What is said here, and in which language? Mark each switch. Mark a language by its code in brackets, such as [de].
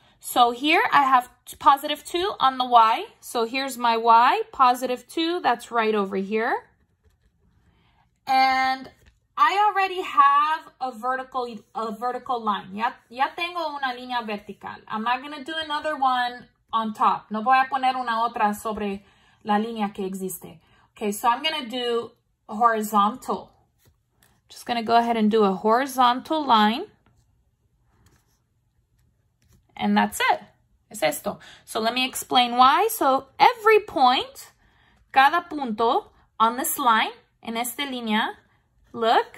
[en] So here I have positive 2 on the y. So here's my y, positive 2. That's right over here. And I already have a vertical line. [es] Ya tengo una línea vertical. [en] I'm not going to do another one on top. [es] No voy a poner una otra sobre la línea que existe. [en] Okay, so I'm going to do horizontal. Just going to go ahead and do a horizontal line. And that's it. [es] Es esto. [en] So let me explain why. So every point, [es] cada punto [en] on this line, [es] en esta línea, [en] look.